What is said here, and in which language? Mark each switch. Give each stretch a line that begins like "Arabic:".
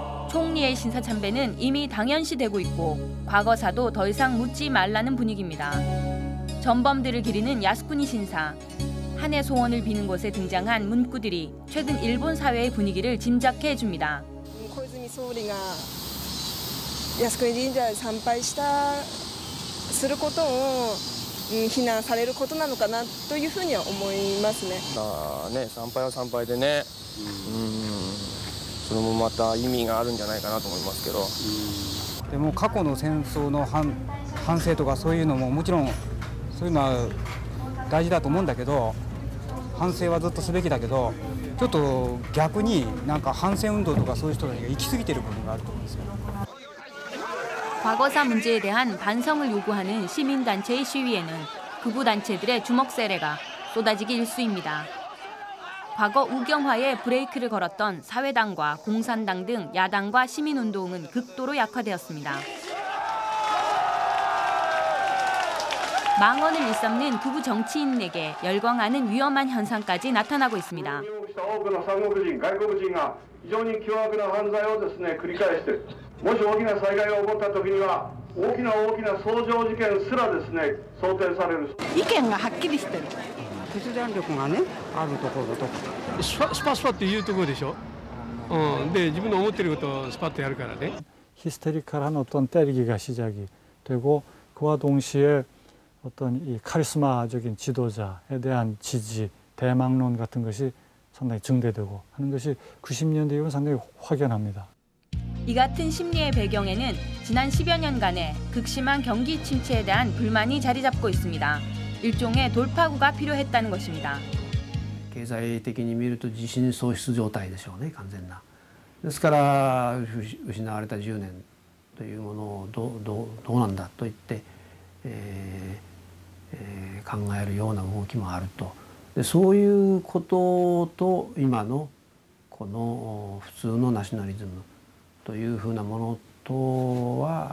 Korean: 총리의 신사 참배는 이미 당연시되고 있고 과거사도 더 이상 묻지 말라는 분위기입니다. 전범들을 기리는 야스쿠니 신사, 한해 소원을 비는 곳에 등장한 문구들이 최근 일본 사회의 분위기를 짐작케 해줍니다. 코즈미 소리가
Japanese: 靖国神社参拝したすることを非難されることなのかなというふうには思いますね。まあね、参拝は参拝でね、それもまた意味があるんじゃないかなと思いますけど。でも過去の戦争の反省とかそういうのももちろんそういうのは大事だと思うんだけど、反省はずっとすべきだけど、ちょっと逆になんか反戦運動とかそういう人たちが行き過ぎてる部分があると思うんですよ。
Korean: 과거사 문제에 대한 반성을 요구하는 시민단체의 시위에는 극우단체들의 주먹세례가 쏟아지기 일쑤입니다. 과거 우경화에 브레이크를 걸었던 사회당과 공산당 등 야당과 시민운동은 극도로 약화되었습니다. 망언을 일삼는 극우 정치인에게 열광하는 위험한 현상까지 나타나고 있습니다.
Japanese: 意見がはっきりしてる。決断力がね、あるところとスパスパッと言うところでしょ。で、自分の思ってることをスパッとやるからね。
Korean: 히스테릭한 어떤 때리기가 시작이 되고 그와 동시에 어떤 이 카리스마적인 지도자에 대한 지지, 대망론 같은 것이 상당히 증대되고 하는 것이 90년대 이후 상당히 확연합니다. 이 같은 심리의 배경에는 지난 10여 년간의 극심한 경기 침체에 대한 불만이 자리 잡고 있습니다. 일종의 돌파구가 필요했다는 것입니다. 경제적으로
Japanese: 見ると地震喪失状態でしょうね、完全な。ですから失われた
Korean: 10년
Japanese: というものをどうなんだと言って考えるような動きもあると。そういうことと今のこの普通のナショナリズムというふうなものとは